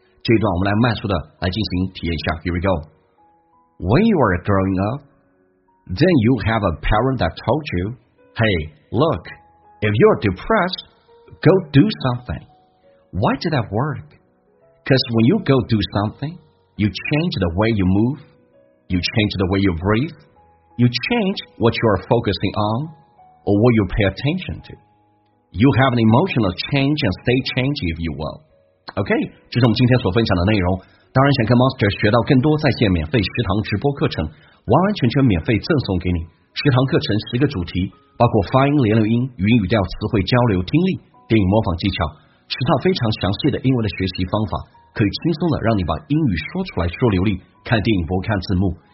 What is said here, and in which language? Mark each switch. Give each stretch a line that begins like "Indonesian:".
Chinese: 这一段我们来慢速的来进行体验一下。
English: Here we go。 When you are growing up, then you have a parent that told you, Hey, look, if you are depressed, go do something. Why did that work? Because when you go do something, you change the way you move, you change the way you breathe, you change what you are focusing on or what you pay attention toYou have an emotional change and state change if you will.
Chinese: OK， 这是我们今天所分享的内容。当然想跟 Monster 学到更多在线免费食堂直播课程，完完全全免费赠送给你。食堂课程十个主题，包括发音、连留音、语音语调、词汇交流、听力、电影模仿技巧，十套非常详细的英文的学习方法，可以轻松的让你把英语说出来说流利，看电影不看字幕。